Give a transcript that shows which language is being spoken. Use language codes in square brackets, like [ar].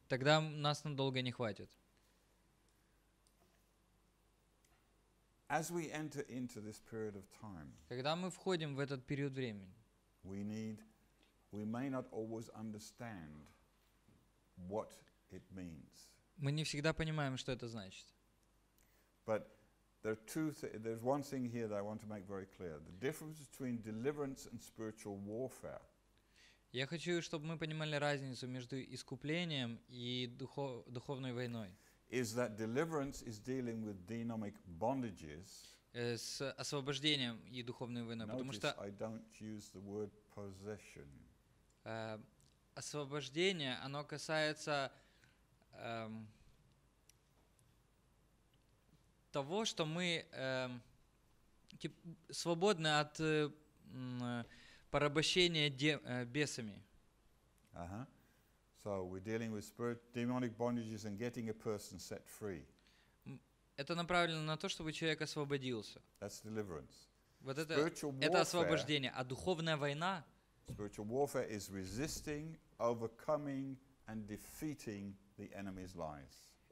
[ru] Тогда нас надолго не хватит. [en] As we enter into this period of time, [ru] когда мы входим в этот период времени, [en] we may not always understand what it means. [ru] Мы не всегда понимаем, что это значит. [en] But there's one thing here that I want to make very clear. The difference between deliverance and spiritual warfare. [ru] Я хочу, чтобы мы понимали разницу между искуплением и духовной войной. [en] Is that deliverance is dealing with demonic bondages. [ru] С освобождением и духовной войной. [en] Notice, [ru] потому что [en] I don't use the word possession. [ru] Освобождение, оно касается того, что мы свободны от порабощение бесами. Uh-huh. [en] So we're dealing with spirit demonic bondages and getting a person set free. [ru] Это направлено на то, чтобы человек освободился. [en] That's deliverance. [ru] Вот это освобождение. А духовная война? [en] Spiritual warfare is resisting, overcoming and defeating the enemy's lies.